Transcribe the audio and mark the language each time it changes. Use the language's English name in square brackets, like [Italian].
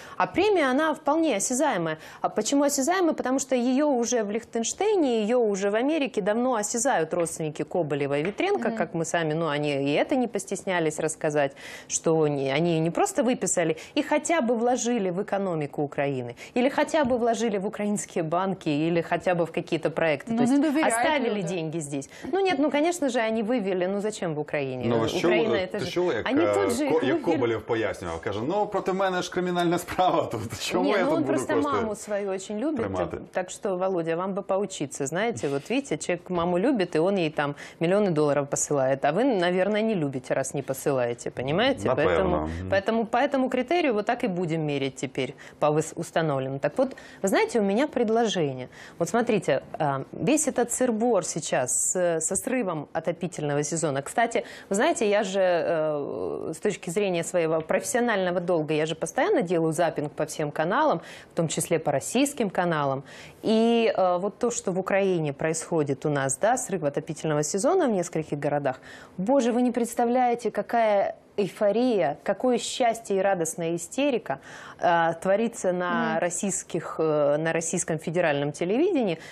[Russian] А премия, она вполне осязаемая. А почему осязаемая? Потому что ее уже в Лихтенштейне, ее уже в Америке давно осязают родственники Коболева и Ветренко, как мы сами, ну, они и это не постеснялись рассказать, что они не просто выписали и хотя бы вложили в экономику Украины, или хотя бы вложили в украинские банки, или хотя бы в какие-то проекты. Но то есть оставили люди деньги здесь. Ну, нет, ну, конечно же, они вывели, ну, зачем в Украине? Ну, а что, Украина, это же... Как Коболев пояснил, [Ukrainian] каже, ну, проти мене ж кримінальна справа, то чому я тут буду кошти? Ні, ну, він просто маму свою дуже любить, так що, Володя, вам би поучитися, знаєте, от видите, чоловік маму любить, і він їй там мільйони доларів посилає, а ви, мабуть, не любите, раз не посилаєте, розумієте? Напевно. По цьому критерію от так і будемо мірити тепер, по встановленому. Так от, ви знаєте, у мене пропозиція. [Russian] От, смотрите, весь этот сыр-бор сейчас со срывом отопительного сезона. Кстати, вы знаете, я же с точки зрения своего профессионального долга, я же постоянно делаю запинг по всем каналам, в том числе по российским каналам. И вот то, что в Украине происходит у нас, да, срыв отопительного сезона в нескольких городах, боже, вы не представляете, какая эйфория, какое счастье и радостная истерика творится на российских, на российском федеральном телевидении.